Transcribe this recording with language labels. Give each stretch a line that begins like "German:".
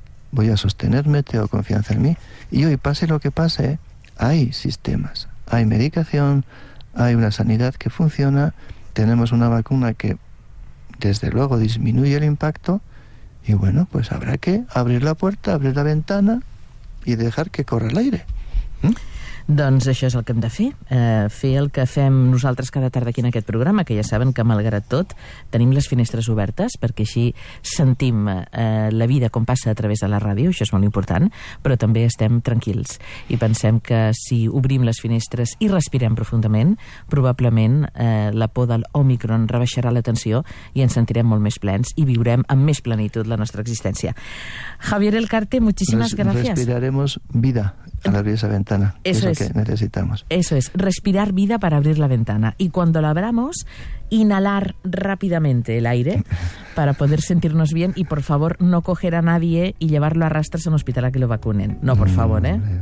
Spanish: Voy a sostenerme, tengo confianza en mí. Y hoy, pase lo que pase, hay sistemas. Hay medicación, hay una sanidad que funciona, tenemos una vacuna que, desde luego, disminuye el impacto. Y bueno, pues habrá que abrir la puerta, abrir la ventana y dejar que corra el aire. ¿Mm?
Catalan: Doncs això és el que hem de fer, fer el que fem nosaltres cada tarda aquí en aquest programa, que ja saben que malgrat tot tenim les finestres obertes perquè així sentim la vida com passa a través de la ràdio, això és molt important, però també estem tranquils i pensem que si obrim les finestres i respirem profundament, probablement la por del Omicron rebaixarà la tensió i ens sentirem molt més plens i viurem amb més plenitud la nostra existència. Javier Elcarte, moltíssimes gràcies.
Spanish: Respiraremos vida. Al abrir esa ventana, eso es lo que necesitamos. Eso es, respirar vida para abrir la ventana. Y cuando la abramos, inhalar rápidamente el aire para poder sentirnos bien y, por favor, no coger a nadie y llevarlo a rastras a un hospital a que lo vacunen. No, por favor, ¿eh?